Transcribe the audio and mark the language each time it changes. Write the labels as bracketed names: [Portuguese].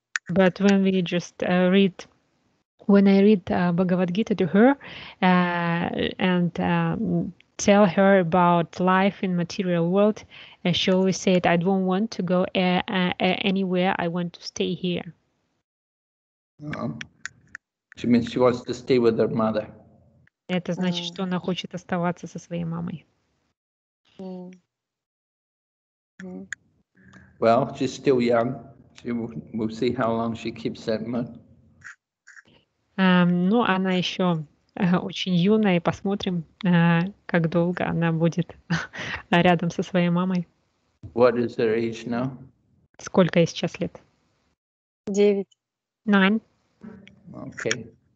[English] But when we just read, when I read Bhagavad-gita to her and tell her about life in material world, she always said, I don't want to go anywhere, I want to stay here. She means she wants to stay with her mother. [Russian] Это значит, что она хочет оставаться со своей мамой. [English] Well, she's still young. We'll see how long she keeps that mood. [Russian] Ну, она еще очень юная, и посмотрим, как долго она будет рядом со своей мамой. [English] What is her age now? [Russian] Сколько ей сейчас лет? 9. 9. [English] Okay.